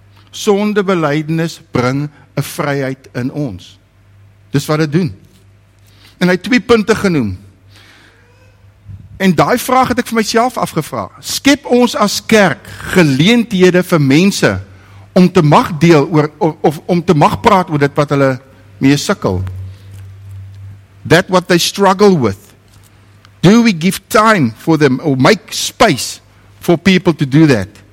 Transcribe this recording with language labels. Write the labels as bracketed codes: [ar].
[af] Sonde belydenis bring een vryheid in ons. Dis wat dit doen. En hy het twee punte genoem. En daai vraag het ek vir myself afgevra. Skep ons as kerk geleenthede vir mense, om te mag deel, oor, of om te mag praat oor dit wat hulle mee sukkel. [en] That what they struggle with. Do we give time for them or make space for people to do that?